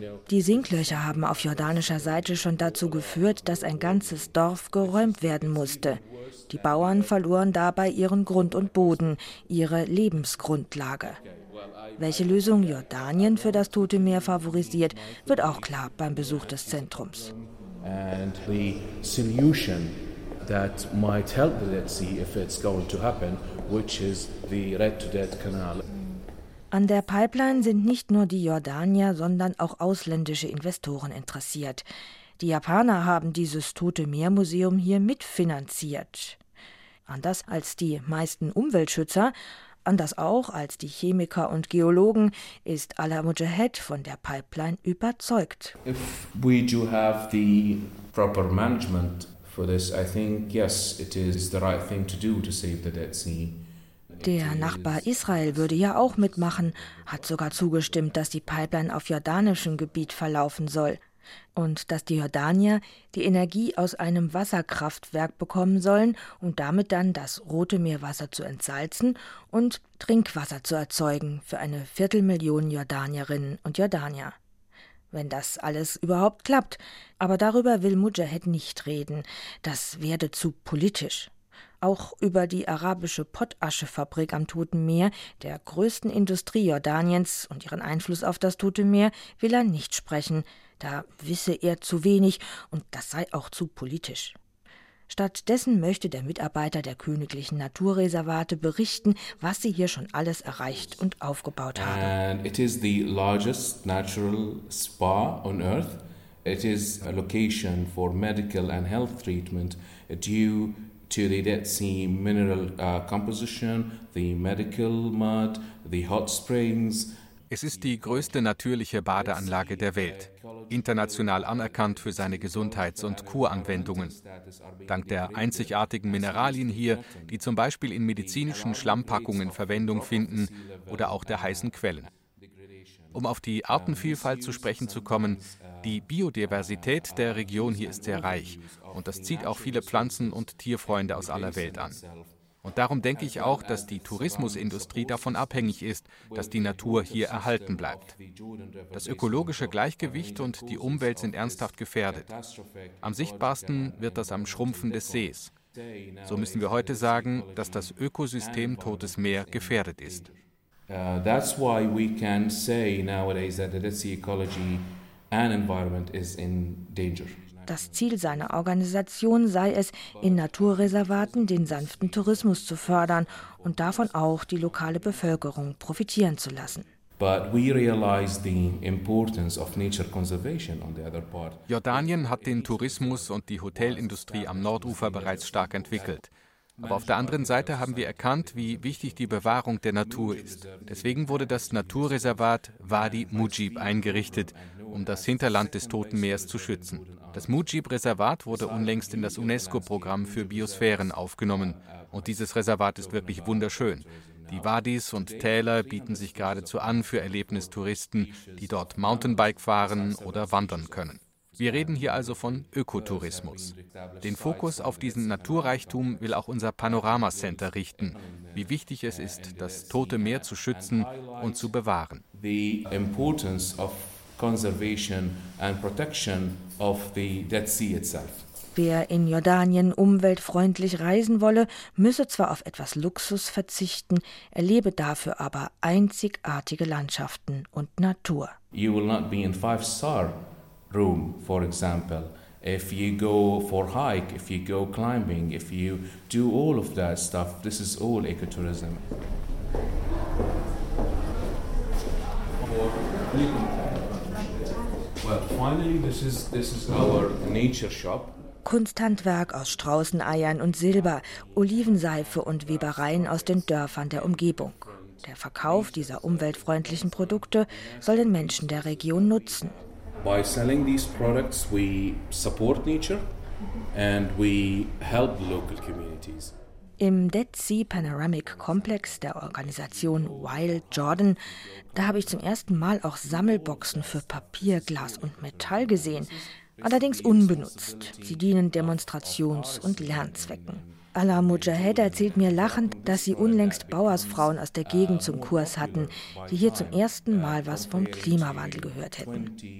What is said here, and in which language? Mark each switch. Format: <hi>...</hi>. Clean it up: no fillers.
<de>Die Sinklöcher haben auf jordanischer Seite schon dazu geführt, dass ein ganzes Dorf geräumt werden musste. Die Bauern verloren dabei ihren Grund und Boden, ihre Lebensgrundlage. Welche Lösung Jordanien für das Tote Meer favorisiert, wird auch klar beim Besuch des Zentrums.</de> <en>And the solution that might help the Red Sea if it's going to happen, which is the Red to Dead Canal.</en> <de>An der Pipeline sind nicht nur die Jordanier, sondern auch ausländische Investoren interessiert. Die Japaner haben dieses Tote Meer-Museum hier mitfinanziert. Anders als die meisten Umweltschützer, anders auch als die Chemiker und Geologen, ist Alaa Mujahed von der Pipeline überzeugt.</de> <en>If we do have the proper management for this, I think yes, it is the right thing to do to save the Dead Sea.</en> <de>Der Nachbar Israel würde ja auch mitmachen, hat sogar zugestimmt, dass die Pipeline auf jordanischem Gebiet verlaufen soll und dass die Jordanier die Energie aus einem Wasserkraftwerk bekommen sollen, um damit dann das Rote Meerwasser zu entsalzen und Trinkwasser zu erzeugen für eine 250.000 Jordanierinnen und Jordanier. Wenn das alles überhaupt klappt, aber darüber will Mujahed nicht reden, das werde zu politisch. Auch über die arabische Pottaschefabrik am Toten Meer, der größten Industrie Jordaniens und ihren Einfluss auf das Tote Meer, will er nicht sprechen. Da wisse er zu wenig und das sei auch zu politisch. Stattdessen möchte der Mitarbeiter der Königlichen Naturreservate berichten, was sie hier schon alles erreicht und aufgebaut haben.</de> <en>It is the largest natural spa on earth. It is a location for medical and health treatment due to the Dead Sea mineral composition, the medical mud, the hot springs.</en> <de>Es ist die größte natürliche Badeanlage der Welt, international anerkannt für seine Gesundheits- und Kuranwendungen. Dank der einzigartigen Mineralien hier, die zum Beispiel in medizinischen Schlammpackungen Verwendung finden oder auch der heißen Quellen. Um auf die Artenvielfalt zu sprechen zu kommen, die Biodiversität der Region hier ist sehr reich und das zieht auch viele Pflanzen- und Tierfreunde aus aller Welt an. Und darum denke ich auch, dass die Tourismusindustrie davon abhängig ist, dass die Natur hier erhalten bleibt. Das ökologische Gleichgewicht und die Umwelt sind ernsthaft gefährdet. Am sichtbarsten wird das am Schrumpfen des Sees. So müssen wir heute sagen, dass das Ökosystem Totes Meer gefährdet ist.</de> <en>That's why we can say nowadays that the Dead Sea ecology and environment is in danger.</en> <de>Das Ziel seiner Organisation sei es, in Naturreservaten den sanften Tourismus zu fördern und davon auch die lokale Bevölkerung profitieren zu lassen.</de> <en>But we realize the importance of nature conservation on the other part.</en> <de>Jordanien hat den Tourismus und die Hotelindustrie am Nordufer bereits stark entwickelt. Aber auf der anderen Seite haben wir erkannt, wie wichtig die Bewahrung der Natur ist. Deswegen wurde das Naturreservat Wadi Mujib eingerichtet, um das Hinterland des Toten Meeres zu schützen. Das Mujib-Reservat wurde unlängst in das UNESCO-Programm für Biosphären aufgenommen. Und dieses Reservat ist wirklich wunderschön. Die Wadis und Täler bieten sich geradezu an für Erlebnistouristen, die dort Mountainbike fahren oder wandern können. Wir reden hier also von Ökotourismus. Den Fokus auf diesen Naturreichtum will auch unser Panorama Center richten, wie wichtig es ist, das Tote Meer zu schützen und zu bewahren.</de> <en>The importance of conservation and protection of the Dead Sea itself.</en> <de>Wer in Jordanien umweltfreundlich reisen wolle, müsse zwar auf etwas Luxus verzichten, erlebe dafür aber einzigartige Landschaften und Natur.</de> <en>You will not be in five-star room, for example, if you go for hike, if you go climbing, if you do all of that stuff, this is all ecotourism. Wow. Well, finally, this is our nature shop.</en> <de>Kunsthandwerk aus Straußeneiern und Silber, Olivenseife und Webereien aus den Dörfern der Umgebung. Der Verkauf dieser umweltfreundlichen Produkte soll den Menschen der Region nutzen.</de> <en>By selling these products, we support nature and we help local communities.</en> <de>Im Dead Sea Panoramic Complex der Organisation Wild Jordan, da habe ich zum ersten Mal auch Sammelboxen für Papier, Glas und Metall gesehen. Allerdings unbenutzt. Sie dienen Demonstrations- und Lernzwecken. Ala Mujahed erzählt mir lachend, dass sie unlängst Bauersfrauen aus der Gegend zum Kurs hatten, die hier zum ersten Mal was vom Klimawandel gehört hätten.</de>